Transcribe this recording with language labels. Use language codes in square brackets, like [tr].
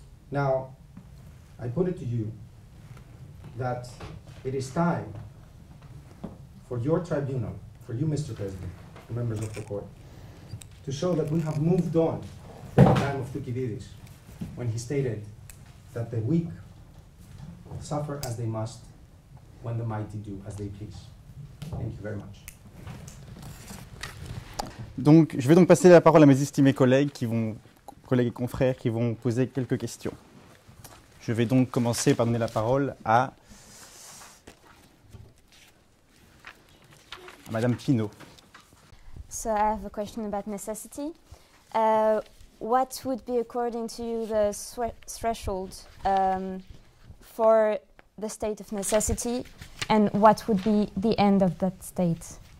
[en] Now, I put it to you that it is time for your tribunal, for you, Mr. President, members of the court, to show that we have moved on from the time of Thucydides, when he stated that the weak suffer as they must, when the mighty do as they please. Thank you very much. [fr] Donc, je vais donc passer la parole à mes estimés collègues, collègues et confrères, qui vont poser quelques questions. Je vais donc commencer par donner la parole à Madame Pinot. [en] So I have a question about necessity. What would be, according to you, the threshold for the state of necessity, and what would be the end of that state?